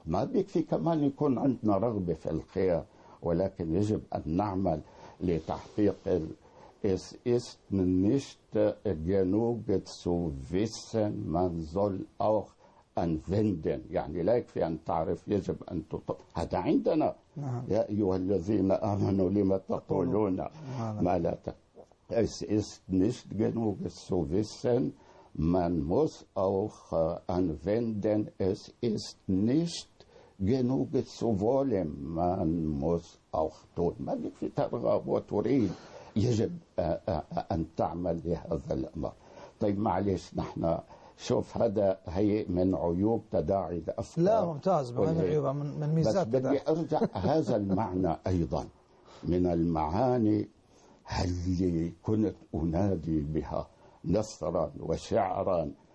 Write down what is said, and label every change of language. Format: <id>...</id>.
<ar>ما بيكفي كمان يكون عندنا رغبة في الخير، ولكن يجب أن نعمل لتحقيق</ar> <de>إست من نشت جنوب سوفيسن منزل أوخ أن فندن،</de> <ar>يعني لا يكفي أن تعرف، يجب أن تطبق. هذا عندنا. نعم. يا أيها الذين آمنوا لما تقولون ما لا تقولون.</ar> <de>Es ist nicht genug zu wissen, man muss auch anwenden. Es ist nicht genug zu wollen, man muss auch tun. Man muss</de> <ar>ترغب وتريد، يجب أن تعمل لهذا الأمر. طيب معلش، نحن شوف هذا هي من عيوب تداعي الأفكار. لا ممتاز، من عيوبها، من ميزاتها. بس بدي أرجع هذا المعنى أيضا من المعاني هل كنت أنادي بها نثرا وشعرا.</ar>